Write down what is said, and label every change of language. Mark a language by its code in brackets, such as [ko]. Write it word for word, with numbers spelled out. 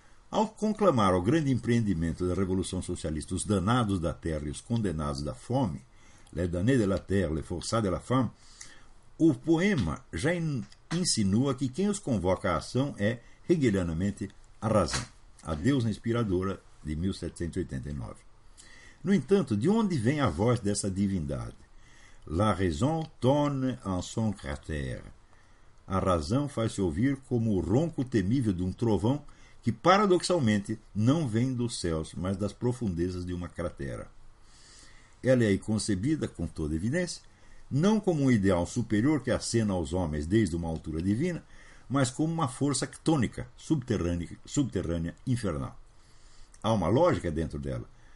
[pt] Ao conclamar ao grande empreendimento da Revolução Socialista os danados da terra e os condenados da fome, [fr] les damnés de la terre, les forçats de la femme, [pt] o poema já in, insinua que quem os convoca à ação é, hegelianamente, a razão, a deusa inspiradora de mil setecentos e oitenta e nove. No entanto, de onde vem a voz dessa divindade? [fr] La raison tonne en son cratère. [pt] A razão faz-se ouvir como o ronco temível de um trovão que paradoxalmente não vem dos céus, mas das profundezas de uma cratera. Ela é aí concebida, com toda evidência, não como um ideal superior que acena aos homens desde uma altura divina, mas como uma força tônica, subterrânea, subterrânea, infernal. Há uma lógica dentro dela,